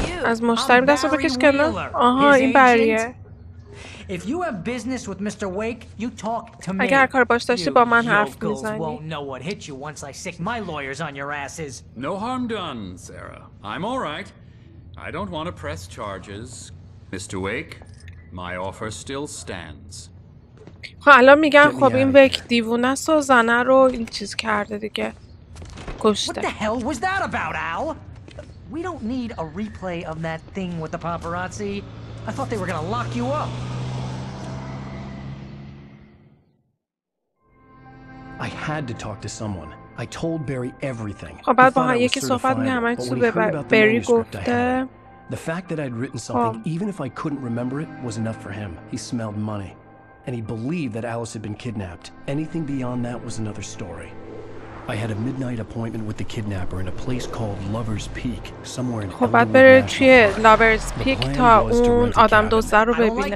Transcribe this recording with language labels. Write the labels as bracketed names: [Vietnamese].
[Persian] از مشتری دست رو بکش کنه. آها این بریه. [English] If you have business with Mr. Wake, you talk to me. [Persian] اگر کار باش داشتی با من حرف می‌زنی. [English] You won't know what hit you once I sick my lawyers on your asses. No harm done, Sarah. I'm all right. I don't want to press charges. Mr. Wake, my offer still stands. [Persian] خب الان میگن خب این ویک دیوونه است و زنه رو این چیز کرده دیگه. کشته. [English] What the hell was that about, Al? We don't need a replay of that thing with the paparazzi. I thought they were gonna lock you up. I had to talk to someone. I told Barry everything. [Persian] خب بعد با هم یکی صحبت می‌کنم همه چیزو به بری گفته. [English] The fact that I'd written something, even if I couldn't remember it, was enough for him. He smelled money. And he believed that Alice had been kidnapped. Anything beyond that was another story. I had a midnight appointment with the kidnapper in a place called Lover's Peak, somewhere in [Persian] Illinois. خب بعد بره توی Lover's Peak تا اون آدم دوسته رو ببینه.